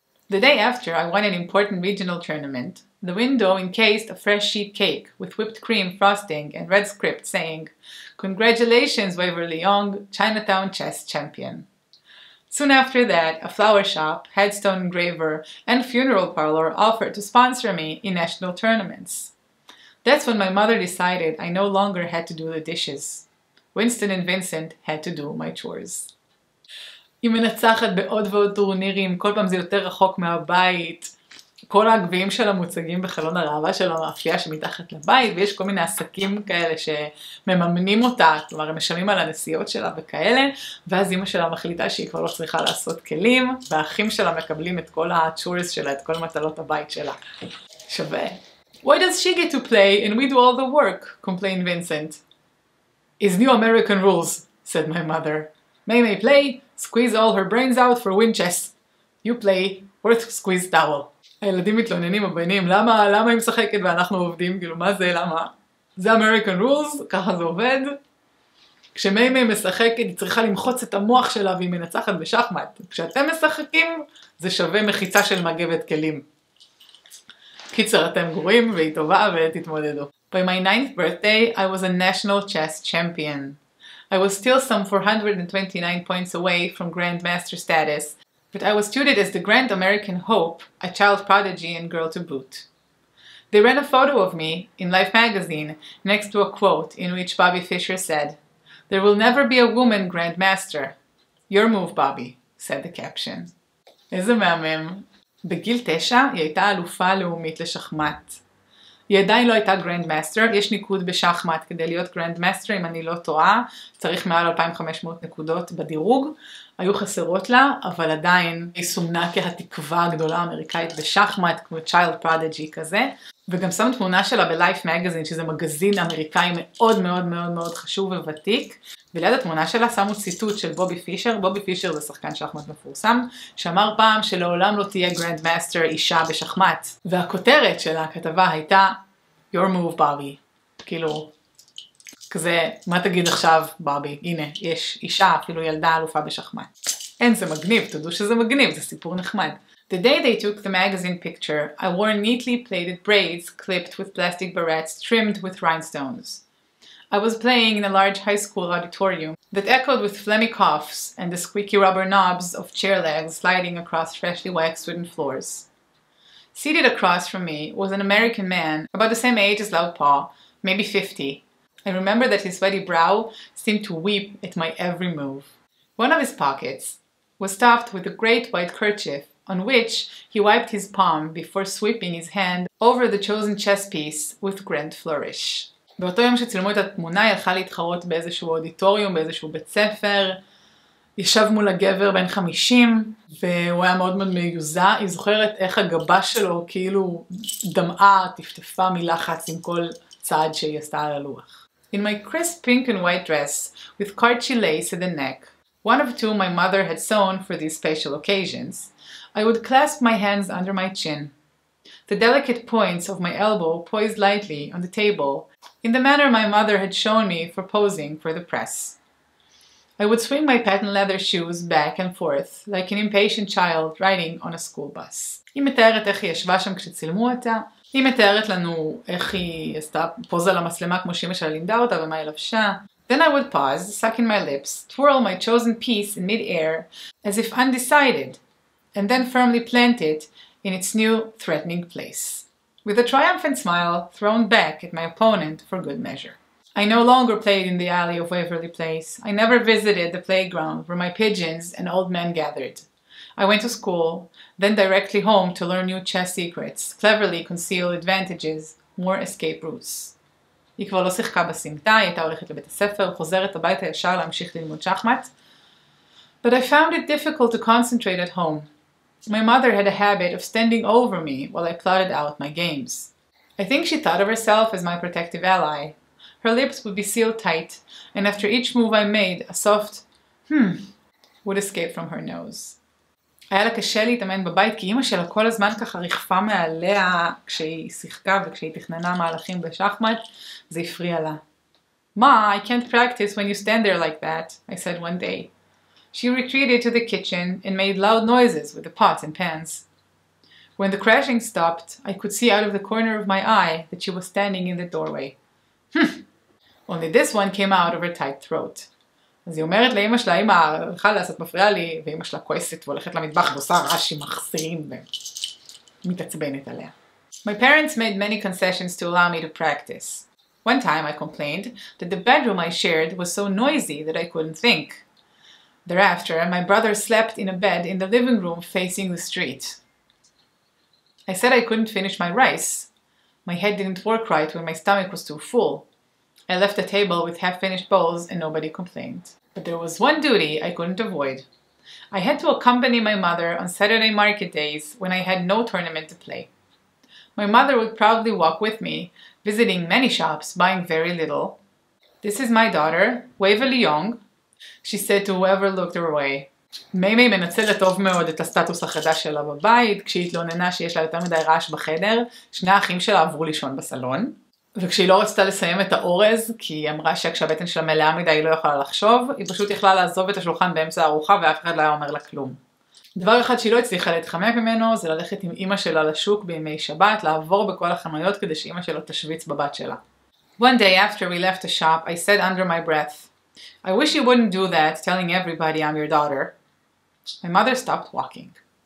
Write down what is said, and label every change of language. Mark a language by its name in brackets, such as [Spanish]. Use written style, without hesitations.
[English] The day after I won an important regional tournament, the window encased a fresh sheet cake with whipped cream frosting and red script saying, Congratulations, Waverly Young, Chinatown Chess Champion. Soon after that, a flower shop, headstone engraver, and funeral parlor offered to sponsor me in national tournaments. That's when my mother decided I no longer had to do the dishes. Winston and Vincent had to do my chores. [Hebrew] היא מנצחת בעוד ועוד טורנירים, כל פעם זה יותר רחוק מהבית. כל הגביעים שלה מוצגים בחלון הראווה של המאפייה שמתחת לבית, ויש כל מיני עסקים כאלה שמממנים אותה, כלומר הם משלמים על הנסיעות שלה וכאלה, ואז אמא שלה מחליטה שהיא כבר לא צריכה לעשות כלים, והאחים שלה מקבלים את כל הצ'ורס שלה, את כל מטלות הבית שלה. שווה. [English] Why does she get to play and we do all the work? Complained Vincent. It's new American rules, said my mother. May may play? Squeeze all her brains out for win chess. You play, worth squeeze towel. [Hebrew] הילדים מתלוננים, הבנים, למה היא משחקת ואנחנו עובדים? כאילו, מה זה, למה? זה [English] American rules, [Hebrew] ככה זה עובד. כשמיימי משחקת, היא צריכה למחוץ את המוח שלה והיא מנצחת בשחמט. כשאתם משחקים, זה שווה מחיצה של מגבת כלים. קיצר, אתם גורים והיא טובה ותתמודדו. [English] By my 9th birthday, I was a national chess champion. I was still some 429 points away from grandmaster status, but I was treated as the grand American hope, a child prodigy and girl to boot. They ran a photo of me in Life magazine next to a quote in which Bobby Fischer said, "There will never be a woman grandmaster. Your move, Bobby," said the caption. [Hebrew] איזה מהמם. בגיל 9 היא הייתה אלופה לאומית לשחמט. היא עדיין לא הייתה גרנדמאסטר, יש ניקוד בשחמט כדי להיות גרנדמאסטר, אם אני לא טועה, צריך מעל 2500 נקודות בדירוג, היו חסרות לה, אבל עדיין היא סומנה כהתקווה הגדולה האמריקאית בשחמט, כמו צ'יילד פרודג'י כזה, וגם שם תמונה שלה בלייף מגזין, שזה מגזין אמריקאי מאוד מאוד מאוד מאוד חשוב וותיק, וליד התמונה שלה שמו ציטוט של בובי פישר. בובי פישר זה שחקן שחמט מפורסם, שאמר פעם שלעולם לא תהיה גרנד מאסטר אישה בשחמט. והכותרת של הכתבה הייתה, [English] Your move, Bobby. [Hebrew] כאילו, כזה, מה תגיד עכשיו, בובי? הנה, יש אישה, אפילו ילדה אלופה בשחמט. אין, זה מגניב, תדעו שזה מגניב, זה סיפור נחמד. [English] The day they took the magazine picture, I wore neatly plaited braids, clipped with plastic barrettes, trimmed with rhinestones. I was playing in a large high school auditorium that echoed with phlegmy coughs and the squeaky rubber knobs of chair legs sliding across freshly waxed wooden floors. Seated across from me was an American man, about the same age as Loudpaw, maybe 50. I remember that his sweaty brow seemed to weep at my every move. One of his pockets was stuffed with a great white kerchief, on which he wiped his palm before sweeping his hand over the chosen chess piece with grand flourish. [Hebrew] באותו יום שצילמו את התמונה, היא הלכה להתחרות באיזשהו אודיטוריום, באיזשהו בית ספר. ישב מול הגבר בן 50, והוא היה מאוד מאוד מיוזה. היא זוכרת איך הגבה שלו כאילו דמעה, טפטפה מלחץ עם כל צעד שהיא עשתה על הלוח. [English] In my crisp pink and white dress, with Cartier lace at the neck, one of two my mother had sewn for these special occasions, I would clasp my hands under my chin. The delicate points of my elbow poised lightly on the table, in the manner my mother had shown me for posing for the press. I would swing my patent leather shoes back and forth, like an impatient child riding on a school bus. [Hebrew] היא מתארת איך היא ישבה שם כשצילמו אותה. היא מתארת לנו איך היא עשתה פוזה למצלמה כמו שאימא שלה לימדה אותה ומה היא לבשה. [English] Then I would pause, suck in my lips, twirl my chosen piece in mid-air, as if undecided, and then firmly plant it in its new threatening place. With a triumphant smile thrown back at my opponent for good measure. I no longer played in the alley of Waverly Place. I never visited the playground where my pigeons and old men gathered. I went to school, then directly home to learn new chess secrets, cleverly conceal advantages, more escape routes. [Hebrew] היא כבר לא שיחקה בסמטה, היא הייתה הולכת לבית הספר, חוזרת הביתה ישר להמשיך ללמוד שחמט. [English] But I found it difficult to concentrate at home. My mother had a habit of standing over me while I plotted out my games. I think she thought of herself as my protective ally. Her lips would be sealed tight, and after each move I made, a soft hmm would escape from her nose. [Hebrew] היה לה קשה להתאמן בבית, כי אמא שלה כל הזמן ככה ריחפה מעליה כשהיא שיחקה וכשהיא תכננה מהלכים בשחמט, זה הפריע לה. [English] Ma, I can't practice when you stand there like that, I said one day. She retreated to the kitchen and made loud noises with the pots and pans. When the crashing stopped, I could see out of the corner of my eye that she was standing in the doorway. Only this one came out of her tight throat. [Hebrew] אז היא אומרת לאמא שלה, אמא, חלאס, את מפריעה לי, ואמא שלה כועסת והולכת למטבח ועושה רעש עם מחסירים ומתעצבנת עליה. [English] My parents made many concessions to allow me to practice. One time I complained that the bedroom I shared was so noisy that I couldn't think. Thereafter, my brother slept in a bed in the living room facing the street. I said I couldn't finish my rice. My head didn't work right when my stomach was too full. I left the table with half-finished bowls and nobody complained. But there was one duty I couldn't avoid. I had to accompany my mother on Saturday market days when I had no tournament to play. My mother would proudly walk with me, visiting many shops, buying very little. This is my daughter, Waverly Young. She said to whoever looked her way. [Hebrew] מיימי מנצלת טוב מאוד את הסטטוס החדש שלה בבית, כשהיא התלוננה שיש לה יותר מדי רעש בחדר, שני האחים שלה עברו לישון בסלון. וכשהיא לא רצתה לסיים את האורז, כי היא אמרה שכשהבטן שלה מלאה מדי היא לא יכולה לחשוב, היא פשוט יכלה לעזוב את השולחן באמצע הארוחה ואף אחד לא היה אומר לה כלום. דבר אחד שהיא לא הצליחה להתחמק ממנו, זה ללכת עם אמא שלה לשוק בימי שבת, לעבור בכל החנויות כדי שאמא שלה תשוויץ בבת שלה. [English] One day after we left the shop, I said under my breath, I wish you wouldn't do that, telling everybody I'm your daughter. My mother stopped walking.